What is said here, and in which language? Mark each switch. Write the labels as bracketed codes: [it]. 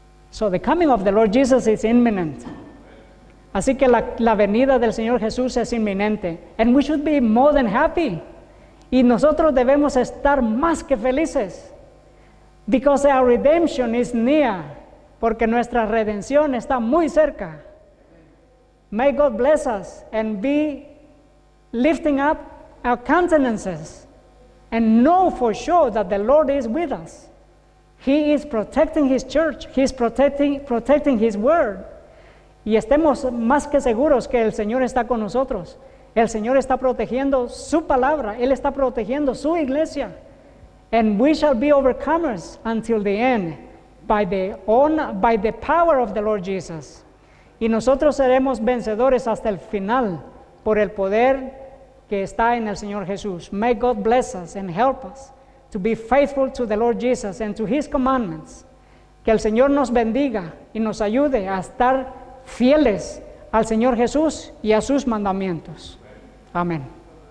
[en] So the coming of the Lord Jesus is imminent. [es] Así que la venida del Señor Jesús es inminente. [en] And we should be more than happy. [es] Y nosotros debemos estar más que felices. [en] Because our redemption is near. [es] Porque nuestra redención está muy cerca. [en] May God bless us and be lifting up our countenances. And know for sure that the Lord is with us. He is protecting his church. He is protecting his word. [es] Y estemos más que seguros que el Señor está con nosotros. El Señor está protegiendo su palabra. Él está protegiendo su iglesia. [en] And we shall be overcomers until the end by the power of the Lord Jesus. [es] Y nosotros seremos vencedores hasta el final por el poder que está en el Señor Jesús. [en] May God bless us and help us to be faithful to the Lord Jesus and to his commandments. [es] Que el Señor nos bendiga y nos ayude a estar fieles al Señor Jesús y a sus mandamientos. Amén. Amén.